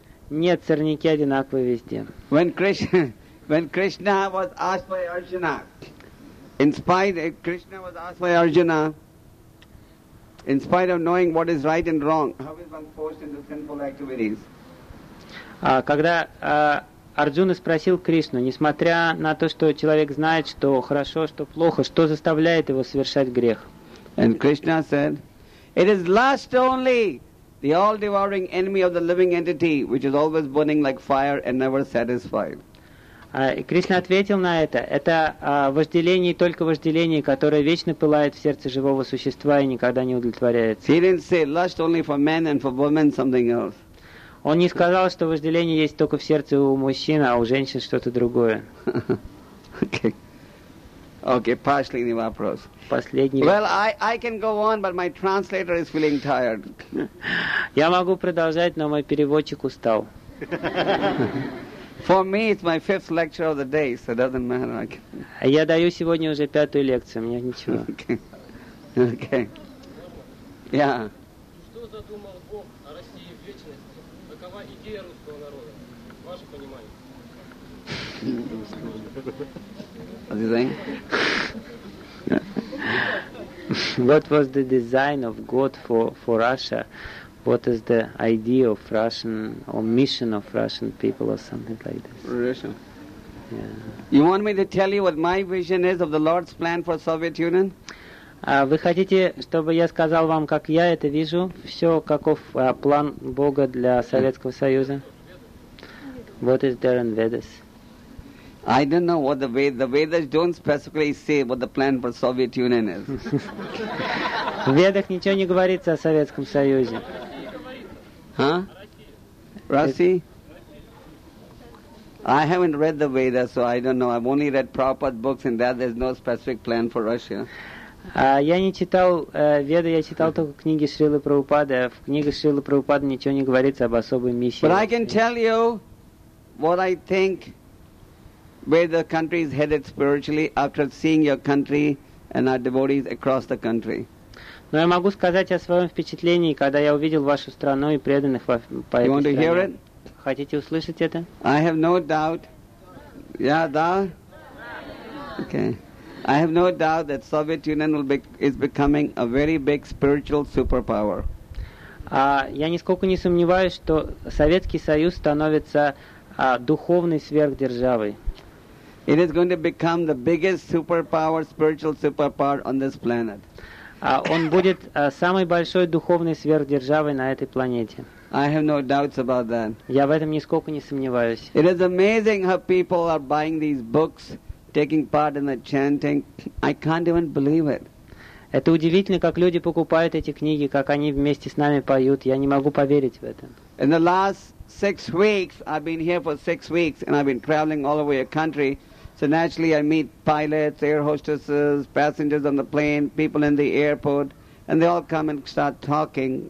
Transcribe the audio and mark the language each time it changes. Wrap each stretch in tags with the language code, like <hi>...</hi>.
<ru>Нет, сорняки одинаковые везде.</ru> <en>When Krishna was asked by Arjuna, in spite of knowing what is right and wrong, how is one forced into sinful activities?</en> <ru>Когда Арджуна спросил Кришну, несмотря на то, что человек знает, что хорошо, что плохо, что заставляет его совершать грех?</ru> <en>And Krishna said, it is lust only the all-devouring enemy of the living entity, which is always burning like fire and never satisfied.</en> <ru>Кришна ответил на это. Это вожделение, только вожделение, которое вечно пылает в сердце живого существа и никогда не удовлетворяется.</ru> <en>He didn't say lust only for men and for women, something else.</en> <ru>Он не сказал, что вожделение есть только в сердце у мужчин, а у женщин что-то другое. Okay, последний вопрос. Последний.</ru> <en>Well, I can go on, but my translator is feeling tired.</en> <ru>Я могу продолжать, но мой переводчик устал.</ru> <en>For me, it's my fifth lecture of the day, so it doesn't matter.</en> <ru>Я даю сегодня уже пятую лекцию, мне ничего.</ru> <en>Okay. Yeah.</en> <ru>Что задумал Бог о России в вечности? Какова идея русского народа? Ваше понимание.</ru> <en>What do you think? What was the design of God for Russia? What is the idea of Russian or mission of Russian people or something like this? Russian. Yeah. You want me to tell you what my vision is of the Lord's plan for Soviet Union?</en> <ru>Вы хотите, чтобы я сказал вам, как я это вижу? Все, каков план Бога для Советского Союза?</ru> <en>What is there in Vedas? I don't know what the Vedas don't specifically say what the plan for Soviet Union is.</en> <ru>В Ведах ничего не говорится о Советском Союзе. Huh? Rasi?</ru> <en>I haven't read the Vedas, so I don't know. I've only read Prabhupada's books, and that there's no specific plan for Russia.</en> <ru>Я не читал Веды, я читал только книги Шрилы Прабхупады. В книгах Шрилы Прабхупады ничего не говорится об особой миссии.</ru> <en>But I can tell you what I think, where the country is headed spiritually after seeing your country and our devotees across the country.</en> <ru>Но я могу сказать о своем впечатлении, когда я увидел вашу страну и преданных по этой стране.</ru> <en>You want to hear it?</en> <ru>Хотите услышать это?</ru> <en>I have no doubt. Yeah, да? Okay. I have no doubt that Soviet Union is becoming a very big spiritual superpower.</en> <ru>Я нисколько не сомневаюсь, что Советский Союз становится духовной сверхдержавой.</ru> <en>It is going to become the biggest superpower, spiritual superpower on this planet.</en> <ru>Он будет самой большой духовной сверхдержавой на этой планете.</ru> <en>I have no doubts about that.</en> <ru>Я в этом нисколько не сомневаюсь.</ru> <en>It is amazing how people are buying these books, taking part in the chanting. I can't even believe it.</en> <ru>Это удивительно, как люди покупают эти книги, как они вместе с нами поют. Я не могу поверить в это.</ru> <en>In the last 6 weeks, I've been here for 6 weeks, and I've been traveling all over your country. So naturally, I meet pilots, air hostesses, passengers on the plane, people in the airport, and they all come and start talking.</en>